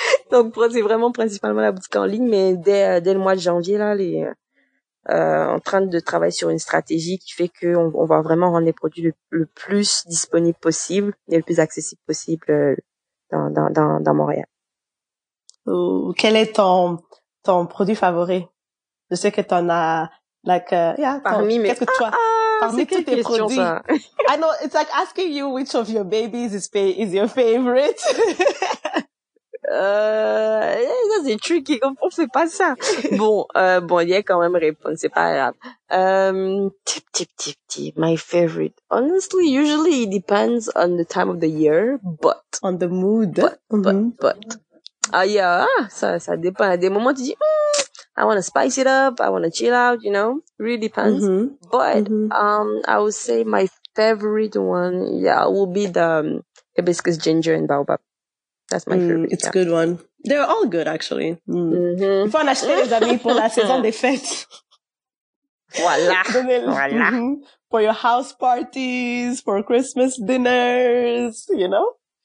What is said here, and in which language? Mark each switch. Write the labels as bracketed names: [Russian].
[French] Donc c'est vraiment principalement la boutique en ligne, mais dès le mois de janvier là, en train de travailler sur une stratégie qui fait que on va vraiment rendre les produits le plus disponibles possible et le plus accessibles possible dans Montréal. Quel est ton produit favori? Je sais que t'en as, parmi tous tes produits. Ça. [English] I know, it's like asking you which of your babies is your favorite. [French] Ça c'est tricky, on fait pas ça. Bon, il y a quand même réponse, c'est pas grave. [English] Tip, my favorite. Honestly, usually it depends on the time of the year, but. On the mood. But. Ah, yeah, [French] ça dépend. À des moments, tu dis, [English] I want to spice it up, I want to chill out, you know, really depends. Mm-hmm. But, I would say my favorite one, will be the hibiscus ginger and baobab. That's my favorite. It's a good one. They're all good, actually. [French] Il faut en acheter, les amis, pour la saison des fêtes. Voilà. [English] For your house parties, for Christmas dinners, you know.